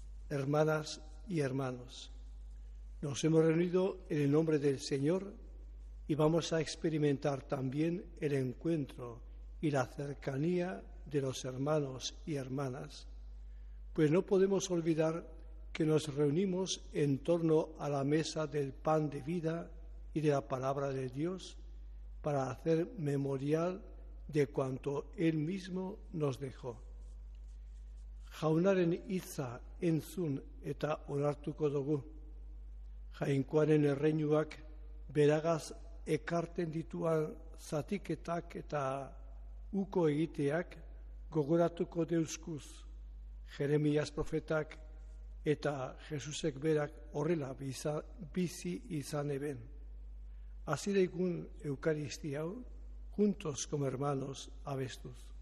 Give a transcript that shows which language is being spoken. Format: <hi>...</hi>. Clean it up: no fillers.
<es>Hermanas y hermanos, nos hemos reunido en el nombre del Señor y vamos a experimentar también el encuentro y la cercanía de los hermanos y hermanas, pues no podemos olvidar que nos reunimos en torno a la mesa del pan de vida y de la palabra de Dios para hacer memorial de cuanto Él mismo nos dejó.</es> <eu>Jaunaren hitza entzun eta onartuko dugu. Jainkoaren erreinuak beragaz ekarten dituan zatiketak eta uko egiteak gogoratuko deuzkuz. Jeremias profetak eta Jesusek berak horrela bizi izan eben.</eu> <es>Así de un Eucaristía, juntos como hermanos,</es> <eu>abestuz.</eu>